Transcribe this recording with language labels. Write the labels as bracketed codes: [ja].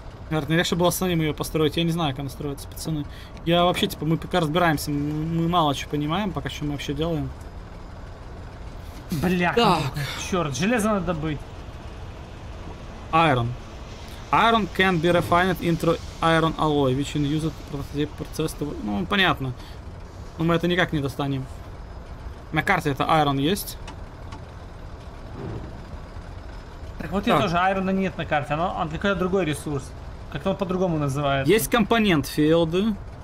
[ru] Наверное, легче было самим ее построить. Я не знаю, как она строится, пацаны. Я вообще, типа, мы пока разбираемся. Мы мало чего понимаем, пока что мы вообще делаем. Бля, черт, железо надо добыть. [en] Iron. Iron can be refined into iron alloy, which is used for prototype process. [ru] Ну, понятно. Но мы это никак не достанем. На карте это iron есть. Так вот я тоже, iron нет на карте, но он какой-то другой ресурс. Как-то он по-другому называется. Есть компонент филды.